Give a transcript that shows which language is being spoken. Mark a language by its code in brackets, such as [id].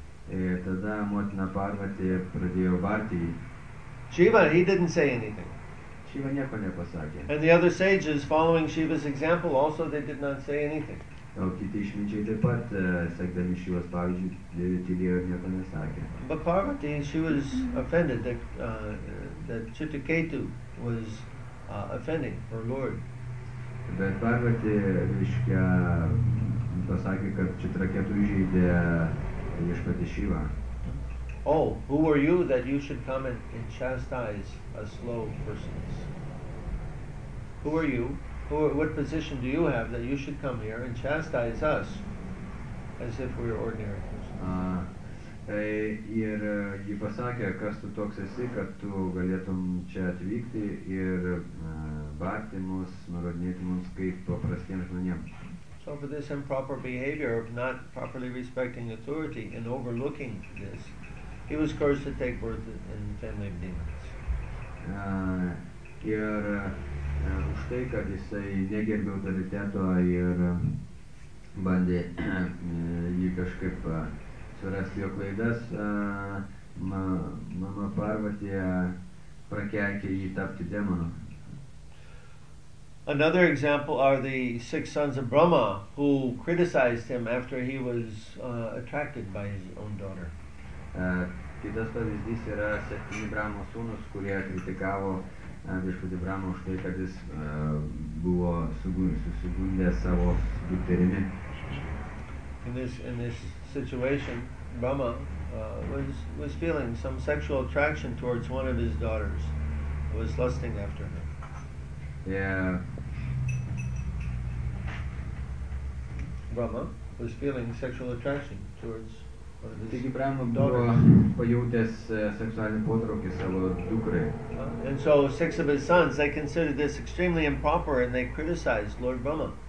[lt] Ir tada motina Parvati pradėjo barti jį. [en] Shiva, he didn't say anything. [lt] Shiva nieko nepasakė. [en] And the other sages, following Shiva's example, also they did not say anything. [lt] O kiti išminčiai taip pat, sekdami Šyvos pavyzdžiui, tylėjo ir nieko nesakė. [en] But Parvati, she was offended that Chitraketu was offending her Lord. [lt] Bet Parvati, reiškia, pasakė, kad Chitraketu įžeidė viešpatį Šyvą. [en] Oh, who are you that you should come and chastise a slow person? Who are you? What position do you have that you should come here and chastise us as if we're ordinary persons? [lt] Ir ji pasakė, kas tu toks esi, kad tu galėtum čia atvykti ir barti mus, nurodinėti mums kaip paprastiems žmonėms. [en] So for this improper behavior of not properly respecting authority and overlooking this, he was cursed to take birth in the family of demons. [lt] Už tai, kad jisai negerbė autoriteto ir bandė jį kažkaip surasti jo klaidas, mama Parvati prakeikė jį tapti demonu. [en] Another example are the six sons of Brahma who criticized him after he was attracted by his own daughter. [lt] Kitas pavyzdys yra septyni Brahmo sūnus, kurie kritikavo viešpatį Brahmą už tai, kad jis buvo susigundęs savo dukterimi. [en] In this situation, Brahma was feeling some sexual attraction towards one of his daughters, was lusting after her. Brahma was feeling sexual attraction towards one of his daughters. [lt] Brahma buvo pajautęs seksualinį potraukį savo dukrai. [en] And so six of his sons, they considered this extremely improper and they criticized Lord Brahma.